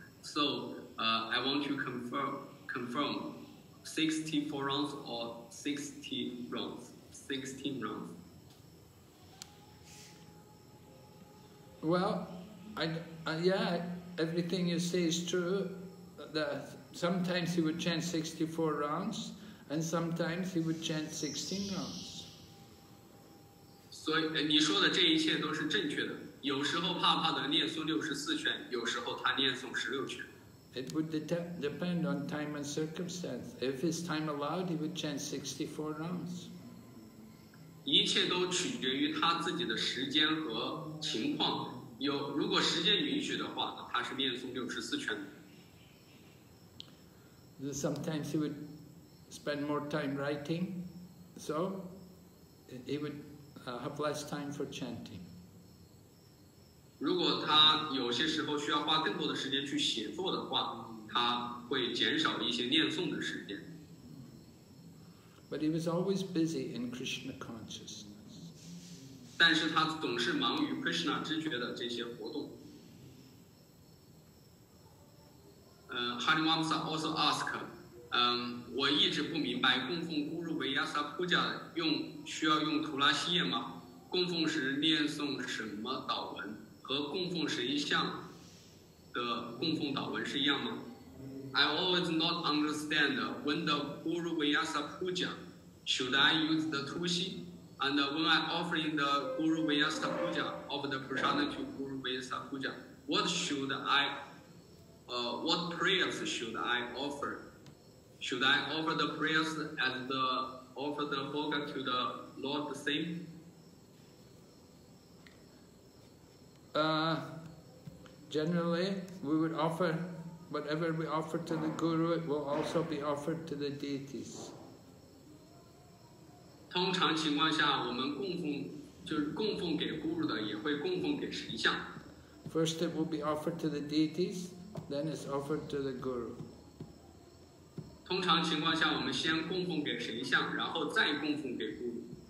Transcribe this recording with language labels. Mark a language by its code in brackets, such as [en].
[en] So, I want to confirm 64 rounds or 60 rounds, 16 rounds. Well, everything you say is true. That sometimes he would chant 64 rounds, And sometimes he would chant 16 rounds. [zh] 所以你说的这一切都是正确的。有时候怕怕的念诵64卷，有时候他念诵16卷。 [en] It would depend on time and circumstance. If his time allowed, he would chant 64 rounds. [zh] 一切都取决于他自己的时间和情况。有，如果时间允许的话，他是念诵64卷。 [en] Sometimes he would spend more time writing, so he would have less time for chanting. [zh] 如果他有些时候需要花更多的时间去写作的话，他会减少一些念诵的时间。 [en] But he was always busy in Krishna consciousness. [zh] 但是他总是忙于 Krishna 知觉的这些活动。 [en] Harimamsa also asked, [zh] 我一直不明白供奉 Guru Vyasa Puja 需要用图拉西叶吗？供奉时念诵什么祷文？和供奉神像的供奉祷文是一样吗？ [en] I always not understand when the Guru Vyasa Puja should I use the Tulsi? And when I offering the Guru Vyasa Puja of the Prasadam to Guru Vyasa Puja, what prayers should I offer? Should I offer the prayers as the offer the bhoga to the Lord the same? Generally, we would offer whatever we offer to the guru, it will also be offered to the deities. [zh] 通常情况下，我们供奉就是供奉给 guru 的，也会供奉给神像。 [en] First, it will be offered to the deities, then it's offered to the guru. [zh] 通常情况下，我们先供奉给神像，然后再供奉给 guru.